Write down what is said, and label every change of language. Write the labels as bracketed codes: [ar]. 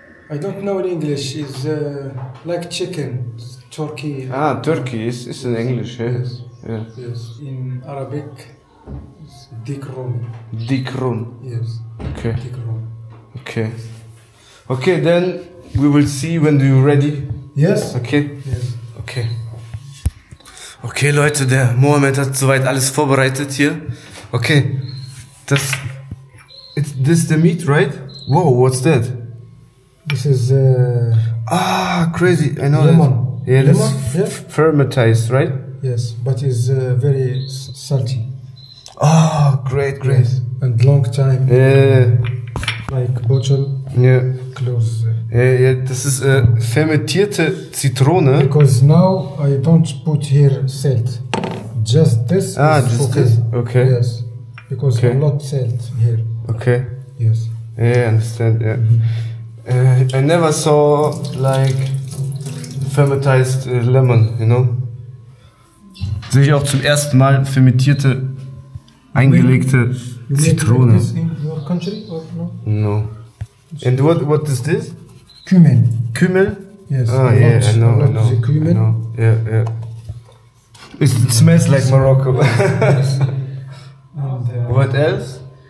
[en] I don't know in English. It's like chicken, turkey. Ah, turkey. It's in English, yeah. Yes. Yes. In Arabic, Dikrun. [ar] Dikrun. [en] Yes. Okay. Dikrun. Okay. Okay, then we will see when you're ready. Yes. Okay. Yes. Okay. [de] Okay, Leute, der Mohammed hat soweit alles vorbereitet hier. [en] Okay. Das. It's this the meat, right? Whoa, what's that? This is. Ah, crazy. I know lemon. That. Yeah, lemon. Yeah. Fermentized, right? Yes, but it's very salty. Ah, oh, great, great. Yes. And long time. Yeah. Like bottle. Yeah. Close. Yeah, yeah, this is a [de] fermentierte Zitrone. [en] Because now I don't put here salt. Just this. Ah, is just focused. This. Okay. Yes. Because okay. A lot salt here. Okay. Yes. Yeah, I understand. Yeah. Mm-hmm. I never saw like fermentized lemon, you know? [de] Sehe ich auch zum ersten Mal fermentierte, eingelegte Zitrone. [en] You make this in your country or no? No. And what is this? [de] Kümmel. Kümmel? [en] Yes. Ah, yeah, I know. Yeah, yeah. It yeah. Smells like it's Morocco. Yes. And, what else?